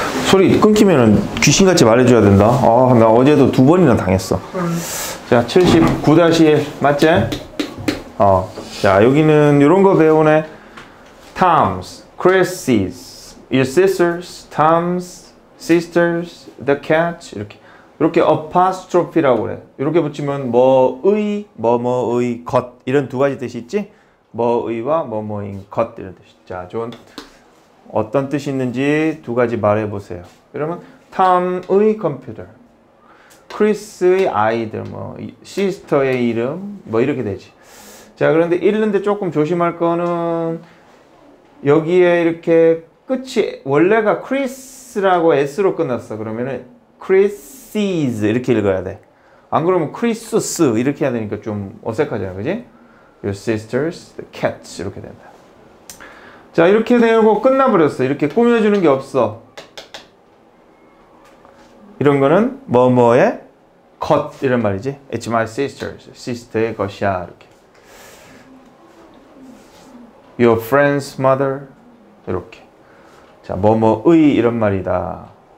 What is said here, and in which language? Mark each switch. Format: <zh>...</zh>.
<ko>소리 끊기면은 귀신같이 말해줘야 된다. 아, 나 어제도 두 번이나 당했어. 자, 79-1 맞지? 어. 자, 여기는 이런 거 배우네.</ko> <en>Tom's, Chris's, your sisters, Tom's, sisters, the cat 이렇게.</en> <ko>이렇게 apostrophe라고 그래. 이렇게 붙이면 뭐의, 뭐뭐의, 것 이런 두 가지 뜻이 있지? 뭐의와 뭐뭐인 것 이런 뜻이. 자, 좋은. 어떤 뜻이 있는지 두 가지 말해보세요. 그러면 Tom의 컴퓨터, Chris의 아이들, 뭐 시스터의 이름, 뭐 이렇게 되지. 자, 그런데 읽는데 조금 조심할 거는 여기에 이렇게 끝이 원래가 Chris라고 S로 끝났어. 그러면은 Chris's 이렇게 읽어야 돼. 안 그러면 Chris's 이렇게 해야 되니까 좀 어색하잖아, 그지?</ko> <en>Your sisters, the cats</en> <ko>이렇게 된다. 자, 이렇게 되고 끝나버렸어. 이렇게 꾸며주는 게 없어. 이런 거는 뭐뭐의 것 이런 말이지.</ko> <en>It's my sister's.</en> <ko>시스터의 것이야. 이렇게.</ko> <en>Your friend's mother.</en> <ko>이렇게. 자, 뭐뭐의 이런 말이다.</ko>